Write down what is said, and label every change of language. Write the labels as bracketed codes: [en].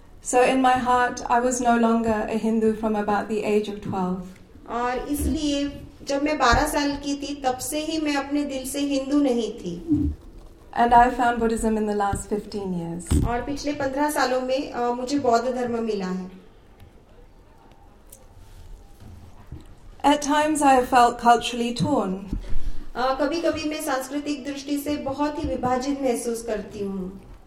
[en] so in my heart I was no longer a Hindu from about the age of 12 [hi] और इसलिए जब मैं 12 साल की थी तब से ही मैं अपने दिल से हिंदू नहीं थी [en] And I found Buddhism in the last 15 years. [hi] और पिछले 15 सालों में मुझे बौद्ध धर्म मिला है [en] At times I have felt culturally torn. [hi] कभी कभी मैं सांस्कृतिक दृष्टि से बहुत ही विभाजित महसूस करती हूँ